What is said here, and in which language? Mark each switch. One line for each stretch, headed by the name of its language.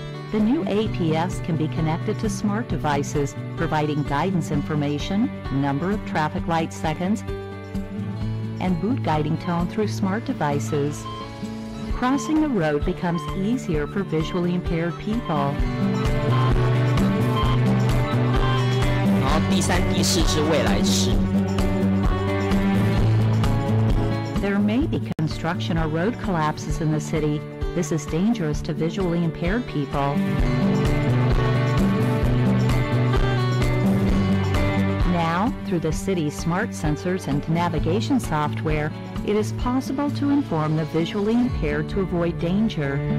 English: The new APS can be connected to smart devices, providing guidance information, number of traffic light seconds, and boot guiding tone through smart devices. Crossing the road becomes easier for visually impaired people.
Chinese: 然后第三、第四是未来式。
English: There may be construction or road collapses in the city. This is dangerous to visually impaired people. Now, through the city's smart sensors and navigation software, it is possible to inform the visually impaired to avoid danger.